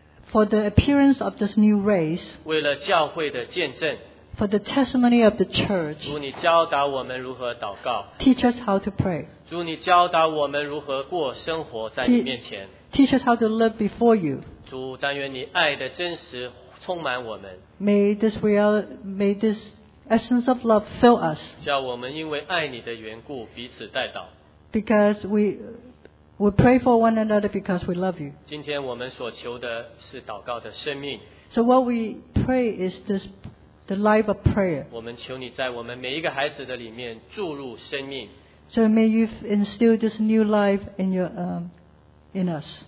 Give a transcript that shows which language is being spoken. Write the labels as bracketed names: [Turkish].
[English] For the appearance of this new race, [Chinese] 为了教会的见证, [English] for the testimony of the church, [Chinese] 主你教导我们如何祷告, [English] teach us how to pray, [Chinese] 主你教导我们如何过生活在你面前, [English] teach us how to live before you, [Chinese] 主但愿你爱的真实充满我们, [English] may this essence of love fill us, [Chinese] 叫我们因为爱你的缘故彼此代祷, [English] because we pray for one another because we love you. [Chinese] 今天我们所求的是祷告的生命。 [English] So what we pray is this, the life of prayer. [Chinese] 我们求你在我们每一个孩子的里面注入生命。 [English] So may you instill this new life in us.